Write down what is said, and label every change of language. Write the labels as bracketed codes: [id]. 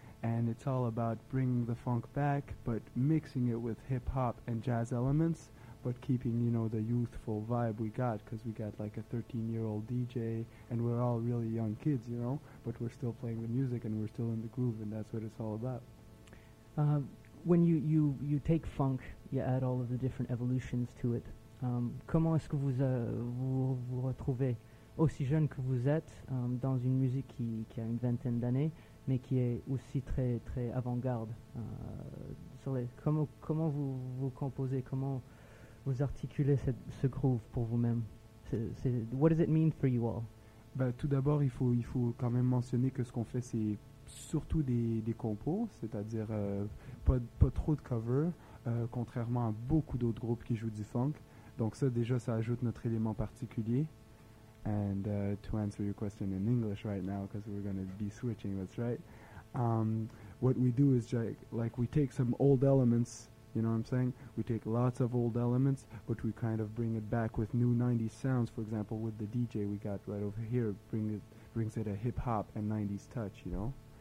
[en] And it's all about bringing the funk back, but mixing it with hip-hop and jazz elements, but keeping, you know, the youthful vibe we got, because we got like a 13-year-old DJ, and we're all really young kids, you know? But we're still playing the music, and we're still in the groove, and that's what it's all about. When you take funk, you add all of the different evolutions to it. [fr] Comment est-ce que vous retrouvez aussi jeune que vous êtes dans une musique qui a une vingtaine d'années, mais qui est aussi très très avant-garde. Comment vous composez, comment vous articulez ce groove pour vous-même? [en] What does it mean for you all? [fr] Bah, tout d'abord, il faut quand même mentionner que ce qu'on fait, c'est surtout des compos, c'est-à-dire pas trop de covers, contrairement à beaucoup d'autres groupes qui jouent du funk. Donc ça, déjà, ça ajoute notre élément particulier. [en] And to answer your question in English right now, because we're going to be switching, that's right. What we do is, like, we take some old elements, you know what I'm saying? We take lots of old elements, but we kind of bring it back with new 90s sounds. For example, with the DJ we got right over here, brings it a hip-hop and 90s touch, you know?